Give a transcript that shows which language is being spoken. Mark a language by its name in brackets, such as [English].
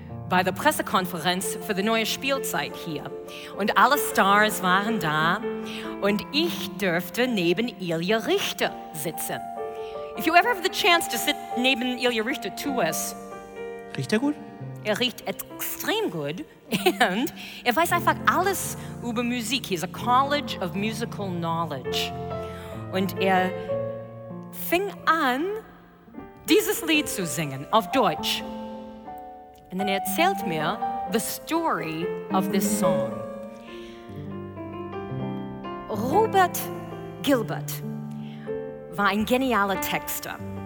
[German] Bei der Pressekonferenz für die neue Spielzeit hier. Und alle Stars waren da und ich durfte neben Ilja Richter sitzen. [English] If you ever have the chance to sit [German] neben [English] Ilja Richter, [German] tu es. Riecht er gut? Er riecht extrem gut und er weiß einfach alles über Musik. [English] He's a college of musical knowledge. [German] Und er fing an, dieses Lied zu singen auf Deutsch. [English] And then he [German] erzählt mir [English] the story of this song. [German] Robert Gilbert war ein genialer Texter.